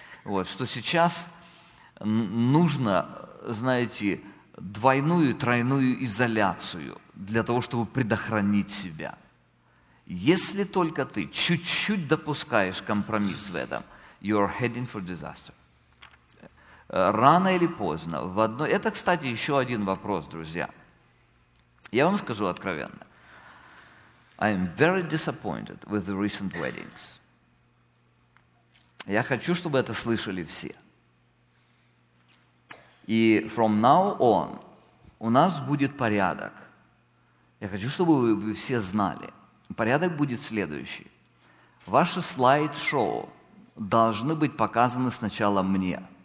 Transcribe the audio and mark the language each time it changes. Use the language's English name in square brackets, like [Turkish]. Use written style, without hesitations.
[Russian] Вот, что сейчас нужно, знаете, двойную, тройную изоляцию для того, чтобы предохранить себя. Если только ты чуть-чуть допускаешь компромисс в этом, [English] you are heading for disaster. [Russian] Рано или поздно в одно... Это, кстати, еще один вопрос, друзья. Я вам скажу откровенно. [English] I am very disappointed with the recent weddings. [Russian] Я хочу, чтобы это слышали все. И [English] from now on [Russian] у нас будет порядок. Я хочу, чтобы вы все знали. Порядок будет следующий. Ваши слайд-шоу должны быть показаны сначала мне.